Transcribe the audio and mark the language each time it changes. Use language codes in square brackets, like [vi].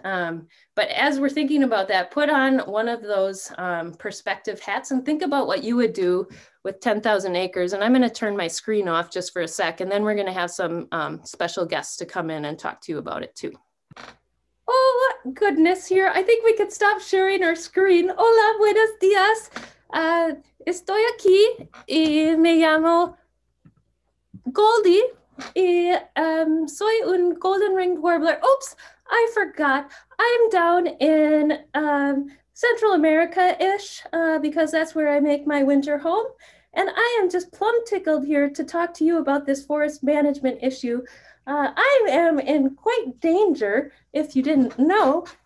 [en] But as we're thinking about that, put on one of those perspective hats and think about what you would do with 10,000 acres. And I'm going to turn my screen off just for a sec. And then we're going to have some special guests to come in and talk to you about it too. Oh, goodness here. I think we could stop sharing our screen. [es] Hola, buenos dias. Estoy aquí y me llamo Goldie, soy un golden ringed warbler. [en] Oops, I forgot. I'm down in Central America-ish because that's where I make my winter home. And I am just plumb tickled here to talk to you about this forest management issue. I am in quite danger, if you didn't know.